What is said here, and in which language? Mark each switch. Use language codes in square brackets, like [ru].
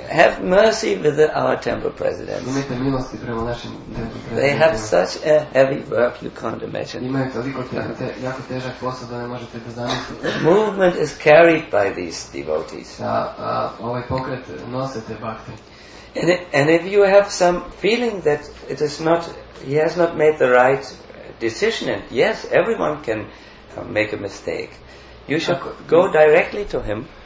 [en] Have mercy with our temple president. [sr] Imajte milosti prema našim [en] temple president. They have such a heavy work, you can't imagine. [sr] Imaju toliko jako težak posao da ne možete da zamislite. [en] The movement is carried by these devotees. [sr] Ovaj pokret nose te bhakti. [en] And if you have some feeling that it is not, he has not made the right decision, and yes, everyone can make a mistake, you should go directly to him.